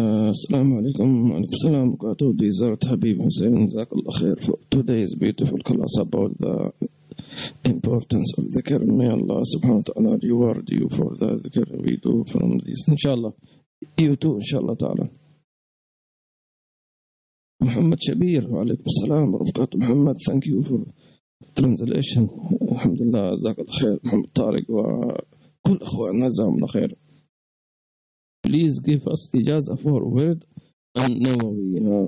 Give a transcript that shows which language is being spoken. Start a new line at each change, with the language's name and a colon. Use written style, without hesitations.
Arabic: السلام عليكم. وعليكم السلام ورحمة الله. زرت حبيب حسين جزاك الله خير.
English: Today is beautiful class about the importance of dhikr. May Allah subhanahu wa ta'ala reward you for the dhikr we do from this. Inshallah. You too, inshallah ta'ala.
Arabic: Muhammad Shabir, وعليكم السلام ورحمة الله.
English: Muhammad, thank you for translation.
Arabic: الحمد لله جزاك الله خير. Muhammad Tariq وكل أخواننا جزاهم الله خير.
English: Please give us ijaza for word and Nawawi.